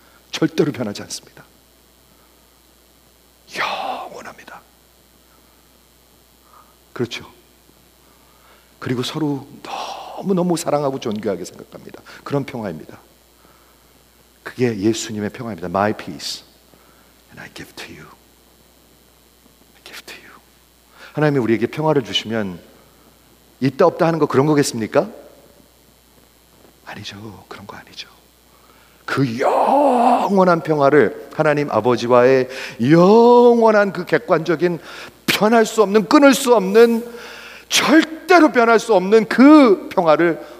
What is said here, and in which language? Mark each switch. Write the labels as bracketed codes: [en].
[ko] 절대로 변하지 않습니다. 영원합니다. 그렇죠? 그리고 서로 너무너무 사랑하고 존귀하게 생각합니다. 그런 평화입니다. 그게 예수님의 평화입니다. [en] My peace and I give to you. I give to you. [ko] 하나님이 우리에게 평화를 주시면 있다 없다 하는 거 그런 거겠습니까? 아니죠. 그런 거 아니죠. 그 영원한 평화를 하나님 아버지와의 영원한 그 객관적인 변할 수 없는, 끊을 수 없는, 절대로 변할 수 없는 그 평화를